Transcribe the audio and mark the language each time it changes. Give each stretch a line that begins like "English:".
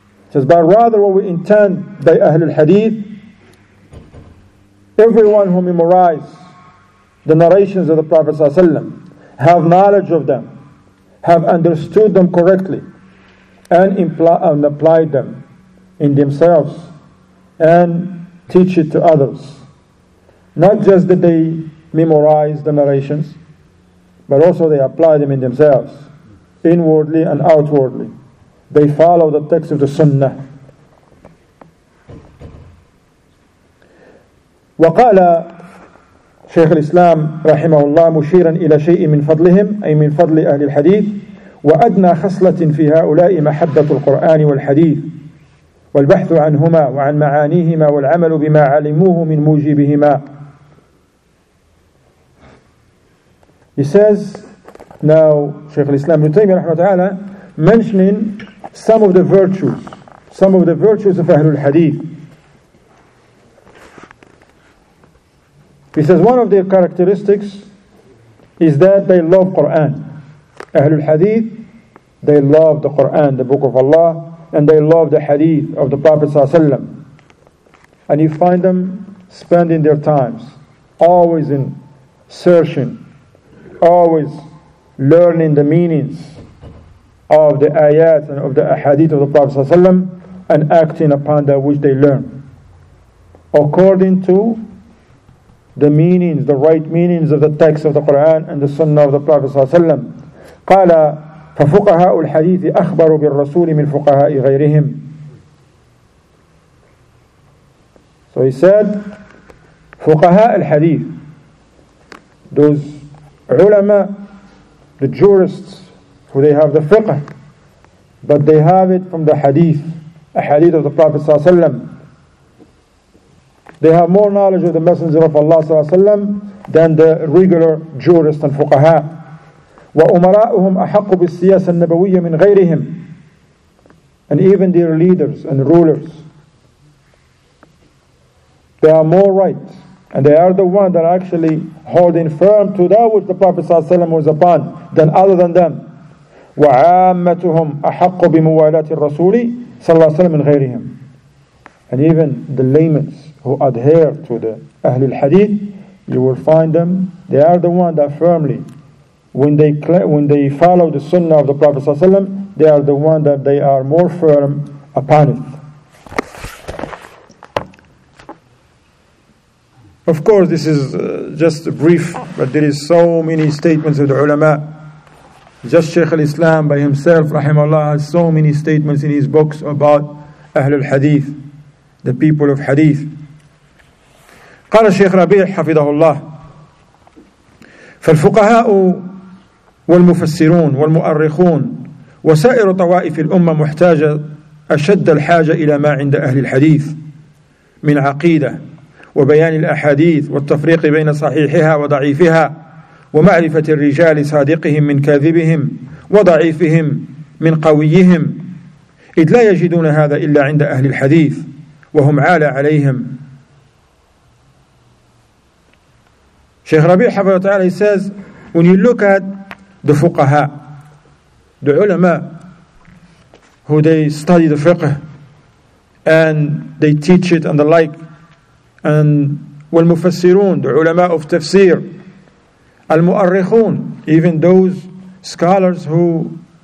English: Says, but rather what we intend by Ahlul Hadith, everyone who memorizes the narrations of the Prophet ﷺ, have knowledge of them, have understood them correctly, and applied them in themselves, and teach it to others. Not just that they memorize the narrations, but also they apply them in themselves, inwardly and outwardly. They follow the text of the Sunnah.
Arabic: وقال شيخ الإسلام رحمه الله مشيرا إلى شيء من فضلهم أي من فضل أهل الحديث وأدنى خصلة في هؤلاء محبة القرآن والحديث والبحث عنهما وعن معانيهما والعمل بما علموه من موجبهما.
English: He says now
Arabic: شيخ الإسلام ابن تيمية رحمه الله تعالى
English: mentioning some of the virtues of Ahlul Hadith. He says one of their characteristics is that they love Quran. Ahlul Hadith, they love the Quran, the Book of Allah, and they love the Hadith of the Prophet ﷺ. And you find them spending their times always in searching, always learning the meanings of the ayat and of the ahadith of the Prophet ﷺ and acting upon that which they learn according to the meanings, the right meanings of the text of the Quran and the sunnah of the Prophet ﷺ.
Arabic: قال ففقهاء الحديث أخبروا بالرسول من فقهاء غيرهم.
English: So he said
Arabic: فقهاء الحديث,
English: those ulama, the jurists who they have the fiqh, but they have it from the hadith, a hadith of the Prophet ﷺ. They have more knowledge of the Messenger of Allah ﷺ than the regular jurist and fuqaha.
Arabic: وأمراؤهم أحق بالسياسة النبوية من غيرهم.
English: And even their leaders and rulers, they are more right. And they are the ones that are actually holding firm to that which the Prophet ﷺ was upon than other than them.
Arabic: وعامتهم أحق بموالاة الرسول صلى الله عليه وسلم من غيرهم.
English: And even the laymans who adhere to the Ahl al-Hadith, you will find them, they are the ones that firmly, when they follow the Sunnah of the Prophet ﷺ, they are the ones that they are more firm upon it. Of course, this is just brief, but there is so many statements of the ulama. Just Shaykh al-Islam by himself, rahimahullah, has so many statements in his books about Ahl al-Hadith, the people of Hadith.
Arabic: قال الشيخ ربيع حفظه الله فالفقهاء والمفسرون والمؤرخون وسائر طوائف الأمة محتاجة أشد الحاجة إلى ما عند أهل الحديث من عقيدة وبيان الأحاديث والتفريق بين صحيحها وضعيفها ومعرفة الرجال صادقهم من كاذبهم وضعيفهم من قويهم إذ لا يجدون هذا إلا عند أهل الحديث وهم عالى عليهم.
English: Shaykh Rabi' Hafidhahu Ta'ala, he says, when you look at the fuqaha, the ulama, who they study the fiqh, and they teach it and the like, and wal mufassirun, the ulama of tafsir, al mu'arrikhun, even those scholars who